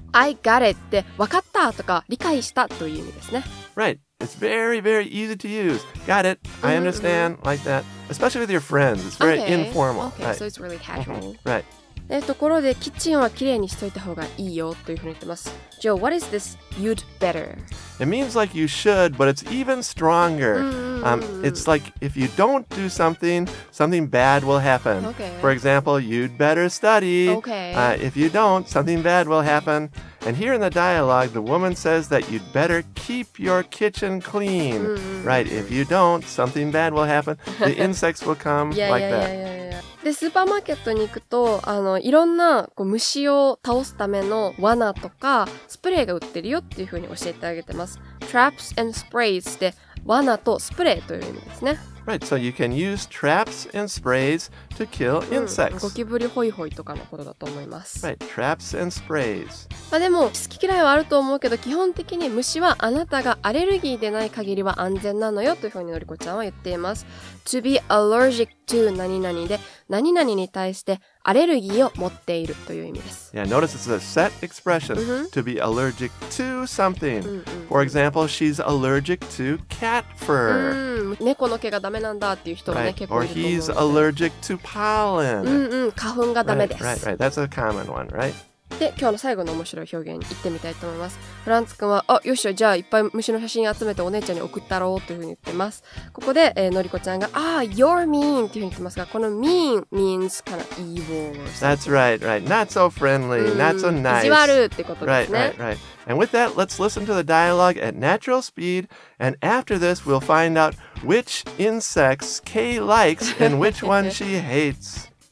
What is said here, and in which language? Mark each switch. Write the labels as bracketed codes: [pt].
[en] I got it [ja] って、わかったとか、理解したという意味ですね。 [en] Right. It's very, very easy to use. Got it. I understand. Like that. Especially with your friends. It's very informal. Okay. Right. So it's really casual. Right. [ja] ところでキッチンはきれいにしといた方がいいよというふうに言ってます。 [en] Joe, what is this you'd better? It means like you should, but it's even stronger. It's like if you don't do something, something bad will happen. Okay. For example, you'd better study. Okay. If you don't, something bad will happen. And here in the dialogue, the woman says that you'd better keep your kitchen clean. Right, if you don't, something bad will happen. The insects will come like that. Yeah. [ja] で、スーパーマーケットに行くと、いろんなこう虫を倒すための罠とか、スプレーが売ってるよっていうふうに教えてあげてます。 [en] Traps and sprays [ja] で、罠とスプレーという意味ですね。 [en] Right, so you can use traps and sprays to kill insects. [ja] ゴキブリホイホイとかのことだと思います。 [en] Right, traps and sprays. [ja] まあでも、好き嫌いはあると思うけど、基本的に虫はあなたがアレルギーでない限りは安全なのよというふうにのりこちゃんは言っています。 [en] To be allergic to [ja] 何々で、何々に対してアレルギーを持っているという意味です。 [en] Yeah, notice it's a set expression. To be allergic to something. For example, she's allergic to cat fur. [ja] 猫の毛がダメなんだっていう人もね、結構いると思うんですね。 [en] Or he's allergic to pollen. [ja] 花粉がダメです。 [en] Right. That's a common one, right? [ja] で、今日の最後の面白い表現に行ってみたいと思います。フランツ君は、あ、よっしゃ、じゃあいっぱい虫の写真集めてお姉ちゃんに送ったろうというふうに言ってます。ここで、のりこちゃんが、あ、 [en] you're mean [ja] というふうに言ってますが、この [en] mean means kind of evil. That's right, right. Not so friendly, not so nice. [ja] 意地悪ってことですね。 [en] Right, right, right. And with that, let's listen to the dialogue at natural speed. And after this, we'll find out which insects Kay likes and which one she hates.